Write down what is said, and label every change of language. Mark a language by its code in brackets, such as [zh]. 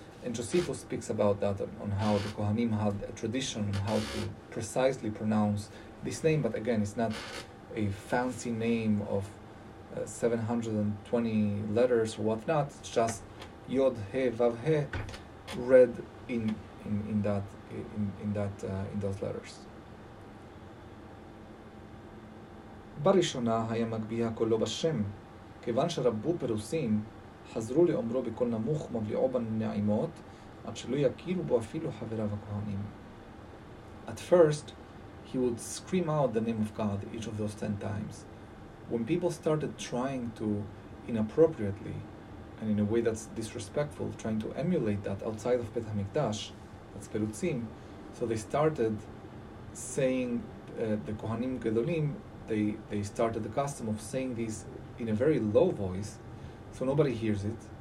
[en] And Josephus speaks about that, on how the Kohanim had a tradition on how to precisely pronounce this name. But again, it's not a fancy name of 720 letters or whatnot. It's just Yod He Vav He read in those letters. [he] בראשונה היה מגביה קולו בשם, כיוון שרבו פרוסים חזרו לאומרו בקול נמוך מבליעו בנעימות, עד שלא יכירו בו אפילו חבריו הכהנים. [en] At first, he would scream out the name of God each of those 10 times. When people started trying to, inappropriately, and in a way that's disrespectful, trying to emulate that outside of Bet HaMikdash, that's Perutzim, so they started saying the Kohanim Gedolim, they started the custom of saying this in a very low voice, so nobody hears it.